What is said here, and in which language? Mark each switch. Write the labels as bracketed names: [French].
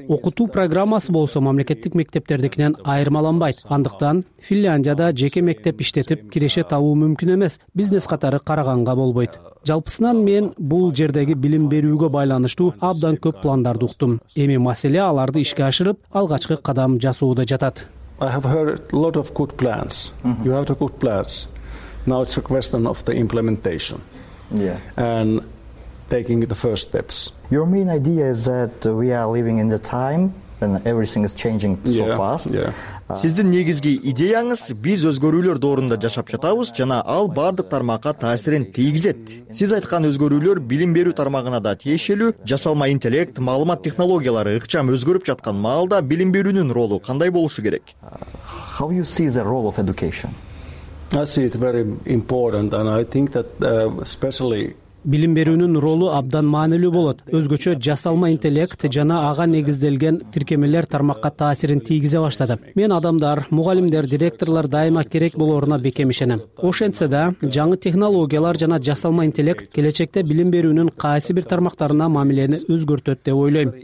[Kyrgyz] Окутуу программасы болсо мамлекеттик мектептердикинен айырмаланбайт. Андыктан Финляндияда жеке мектеп иштетип киреше табуу мүмкүн эмес, бизнес катары караганга болбойт. Жалпысынан мен бул жердеги билим берүүгө байланыштуу абдан көп пландарды уктум. Эми маселе аларды ишке ашырып, алгачкы кадам жасоодо жатат. [English] I have heard a lot of good plans. You have the good plans. Now it's a question of the implementation. And taking the first steps. Your main idea is that we are living in the time when everything is changing so fast. [Kyrgyz] Сиздин негизги идеяңыз биз өзгөрүүлөр доорунда жашап жатабыз жана ал бардык тармакка таасирин тийгизет. Сиз айткан өзгөрүүлөр билим берүү тармагына да тиешелүү. Жасалма интеллект, маалымат технологиялары ыкчам өзгөрүп жаткан маалда билим берүүнүн ролу кандай болушу керек? [English] How you see the role of education? I see it very important and I think that especially [Kyrgyz] билим берүүнүн ролу абдан маанилүү болот. Өзгөчө жасалма интеллект жана ага негизделген тиркемелер тармакка таасирин тийгизе баштады. Мен адамдар, мугалимдер, директорлор дайыма керек болоруна бекем ишенем. Ошентсе да, жаңы технологиялар жана жасалма интеллект келечекте билим берүүнүн кайсы бир тармактарына мамилени өзгөртөт деп ойлойм.